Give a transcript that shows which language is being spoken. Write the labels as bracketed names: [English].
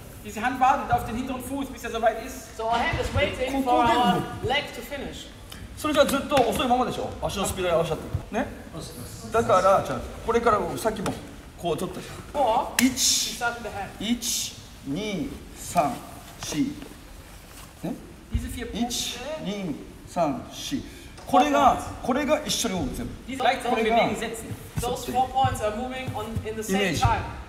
[German] Diese Hand wartet auf den hinteren Fuß, bis er soweit ist. [English] So our hand is waiting for our leg to finish. [Japanese] それじゃずっと遅いままでしょ足のスピードに合わせちゃってる。ねだから、じゃあこれからさっきもこう取ったじゃん。 1、2、3、4。ね ?1、2、3、4。これが一緒に動く全部。これが。 [English] Those four points are moving on in the same time.